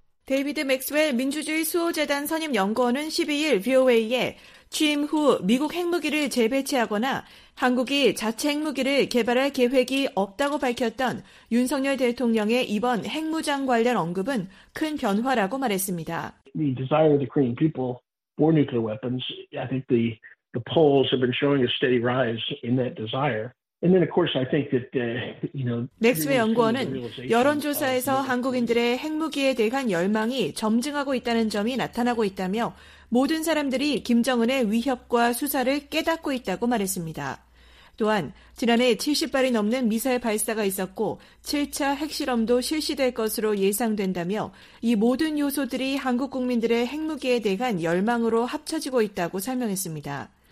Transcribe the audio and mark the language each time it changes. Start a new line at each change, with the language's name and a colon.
Korean: 데이비드 맥스웰 민주주의 수호재단 선임 연구원은 12일 VOA에 취임 후 미국 핵무기를 재배치하거나 한국이 자체 핵무기를 개발할 계획이 없다고 밝혔던 윤석열 대통령의 이번 핵무장 관련 언급은 큰 변화라고 말했습니다.
English: The desire of the Korean people for nuclear weapons, I think the polls have been showing a steady rise in that desire. And then of course I think that you know
Korean: 맥스웰 연구원은 여론조사에서 한국인들의 핵무기에 대한 열망이 점증하고 있다는 점이 나타나고 있다며 모든 사람들이 김정은의 위협과 수사를 깨닫고 있다고 말했습니다. 또한 지난해 70발이 넘는 미사일 발사가 있었고 7차 핵실험도 실시될 것으로 예상된다며 이 모든 요소들이 한국 국민들의 핵무기에 대한 열망으로 합쳐지고 있다고 설명했습니다.